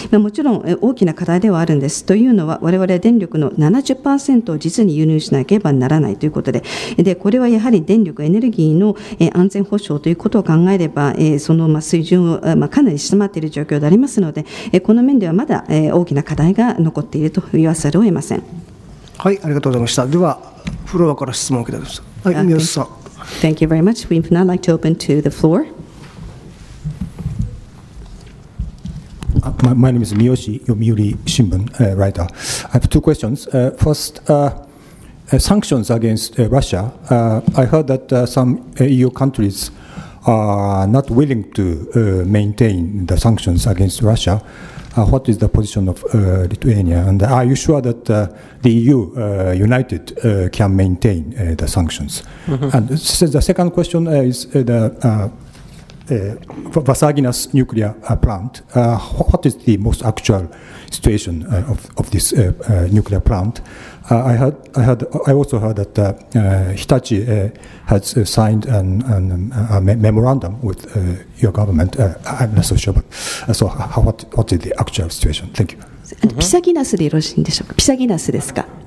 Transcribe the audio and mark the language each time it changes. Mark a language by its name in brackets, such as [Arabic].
[Japanese] もちろん大きな課題ではあるんです。というのは、我々は電力の 70% を実に輸入しなければならないということで、これはやはり電力エネルギーの安全保障ということを考えれば、その水準をかなり下回っている状況でありますので、この面ではまだ大きな課題が残っていると言わざるを得ません。はい、ありがとうございました。ではフロアから質問を受けてください。はい、宮下さん。 [English] Thank you very much. We would now like to open to the floor. My name is 三好、読売新聞、ライター。 I have two questions. First, sanctions against Russia. I heard that some EU countriesare not willing to maintain the sanctions against Russia. What is the position of Lithuania? And are you sure that the EU united can maintain the sanctions? Mm-hmm. And the second question is the Vasaginas nuclear plant. What is the most actual situation of this nuclear plant? I also heard that Hitachi has signed a memorandum with your government. I'm not so sure, but what is the actual situation? Thank you. [Japanese] ピサギナスでよろしいんでしょうか。ピサギナスですか。